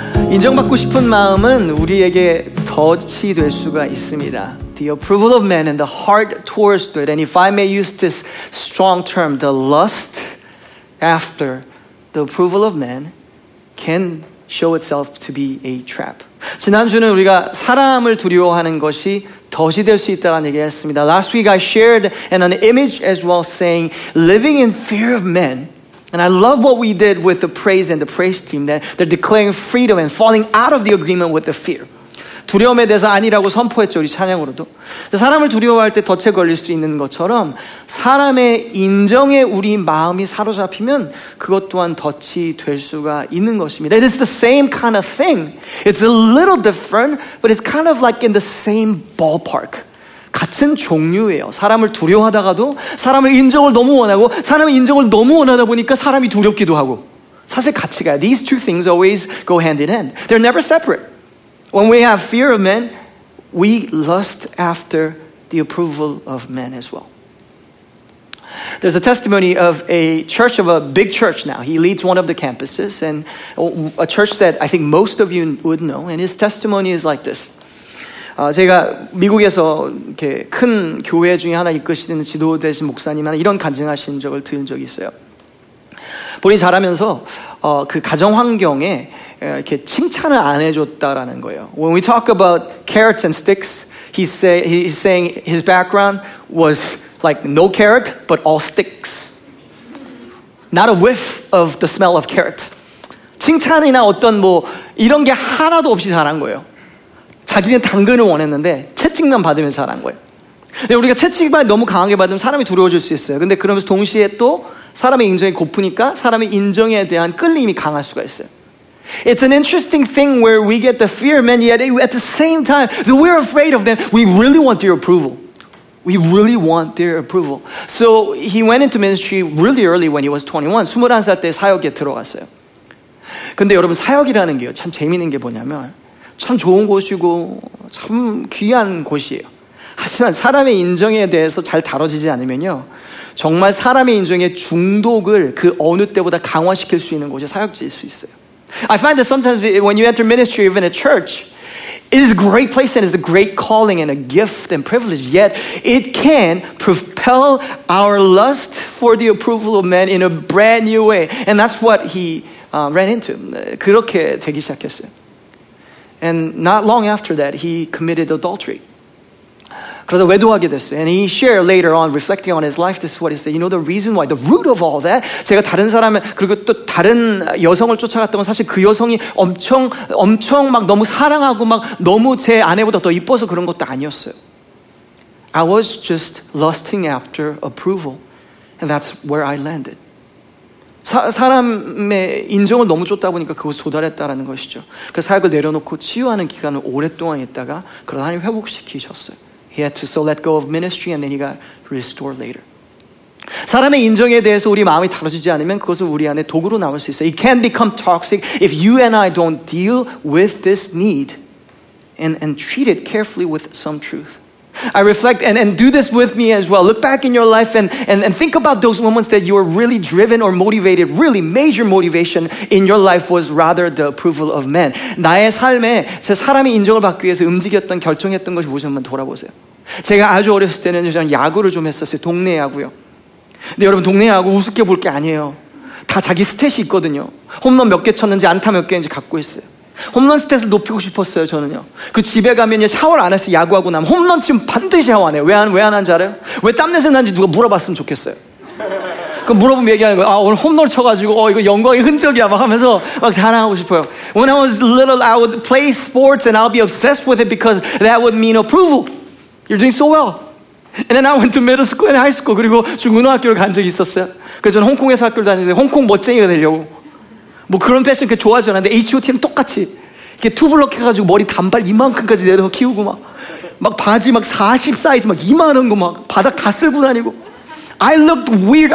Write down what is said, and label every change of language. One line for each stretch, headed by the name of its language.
Korean: 인정받고 싶은 마음은 우리에게 덫이 될 수가 있습니다.
English: The approval of men and the heart towards it. And if I may use this strong term, the lust after the approval of men can show itself to be a trap.
Korean: 지난주는 우리가 사람을 두려워하는 것이 덫이 될 수 있다라는 얘기를 했습니다.
English: Last week I shared an image as well saying living in fear of men. And I love what we did with the praise and the praise team that they're declaring freedom and falling out of the agreement with the fear.
Korean: 두려움에 대해서 아니라고 선포했죠, 우리 찬양으로도. 사람을 두려워할 때 덫에 걸릴 수 있는 것처럼 사람의 인정에 우리 마음이 사로잡히면 그것 또한 덫이 될 수가 있는 것입니다.
English: It is the same kind of thing. It's a little different, but it's kind of like in the same ballpark.
Korean: 같은 종류예요. 사람을 두려워하다가도 사람의 인정을 너무 원하고 사람의 인정을 너무 원하다 보니까 사람이 두렵기도 하고 사실 같이 가요.
English: These two things always go hand in hand. They're never separate. When we have fear of men, we lust after the approval of men as well. There's a testimony of a church, of a big church now. He leads one of the campuses, and a church that I think most of you would know. And his testimony is like this.
Korean: 제가 미국에서 이렇게 큰 교회 중에 하나 이끄시는 지도되신 목사님 하나 이런 간증하신 적을 들은 적이 있어요. 본인이 자라면서 그 가정 환경에 이렇게 칭찬을 안 해줬다라는 거예요.
English: When we talk about carrots and sticks, he's saying his background was like no carrot but all sticks. Not a whiff of the smell of carrot.
Korean: 칭찬이나 어떤 뭐 이런 게 하나도 없이 자란 거예요. 자기는 당근을 원했는데 채찍만 받으면서 자란 거예요. 근데 우리가 채찍만 너무 강하게 받으면 사람이 두려워질 수 있어요. 근데 그러면서 동시에 또 사람의 인정이 고프니까 사람의 인정에 대한 끌림이 강할 수가 있어요.
English: It's an interesting thing where we get the fear, man, yet at the same time, though we're afraid of them, we really want their approval. We really want their approval. So he went into ministry really early when he was 21.
Korean: 21살 때 사역에 들어갔어요. 근데 여러분 사역이라는 게요, 참 재밌는 게 뭐냐면 참 좋은 곳이고 참 귀한 곳이에요. 하지만 사람의 인정에 대해서 잘 다뤄지지 않으면요. 정말 사람의 인정의 중독을 그 어느 때보다 강화시킬 수 있는 곳이 사역지일 수 있어요.
English: I find that sometimes when you enter ministry, even a church, it is a great place and it's a great calling and a gift and privilege. Yet it can propel our lust for the approval of men in a brand new way. And that's what he ran into.
Korean: 그렇게 되기 시작했어요.
English: And not long after that, he committed adultery.
Korean: 그러다 외도하게 됐어요.
English: And he shared later on, reflecting on his life, this is what he said. You know the reason why, the root of all that?
Korean: 제가 다른 사람, 그리고 또 다른 여성을 쫓아갔던 건 사실 그 여성이 엄청 막 너무 사랑하고 막 너무 제 아내보다 더 이뻐서 그런 것도 아니었어요.
English: I was just lusting after approval. And that's where I landed.
Korean: 사람의 인정을 너무 쫓다 보니까 그곳에 도달했다라는 것이죠. 그 사역을 내려놓고 치유하는 기간을 오랫동안 있다가 그걸 하나님 회복시키셨어요.
English: He had to so let go of ministry and then he got restored later.
Korean: 사람의 인정에 대해서 우리 마음이 다뤄지지 않으면 그것은 우리 안에 독으로 남을 수 있어요.
English: It can become toxic if you and I don't deal with this need and treat it carefully with some truth. I reflect and do this with me as well. Look back in your life and think about those moments that you were really driven or motivated. Really major motivation in your life was rather the approval of men.
Korean: 나의 삶에 제 사람이 인정을 받기 위해서 움직였던 결정했던 것이 무엇인지 한번 돌아보세요. 제가 아주 어렸을 때는 저는 야구를 좀 했었어요. 동네 야구요. 근데 여러분 동네 야구 우습게 볼 게 아니에요. 다 자기 스탯이 있거든요. 홈런 몇 개 쳤는지 안타 몇 개인지 갖고 있어요. 홈런 스탯을 높이고 싶었어요 저는요. 그 집에 가면 샤워를 안 해서 야구하고 나면 홈런 치면 반드시 샤워 안 해요. 왜 안 하는지 알아요? 왜 땀냄새 나는지 누가 물어봤으면 좋겠어요. 그럼 물어보면 얘기하는 거예요. 아 오늘 홈런 쳐가지고 이거 영광의 흔적이야 막 하면서 막 자랑하고 싶어요.
English: When I was little I would play sports and I'll be obsessed with it because that would mean approval. You're doing so well. And then I went to middle school and high school.
Korean: 그리고 중고등학교를 간 적이 있었어요. 그래서 저는 홍콩에서 학교를 다니는데 홍콩 멋쟁이가 되려고 뭐 그런 패션 그 좋아하지 않았는데 H.O.T.랑 똑같이 이렇게 투블럭 해가지고 머리 단발 이만큼까지 내려 키우고 막 바지 막 40 사이즈 막 이만한 거 막 바닥 다 쓸고 다니고
English: I looked weird.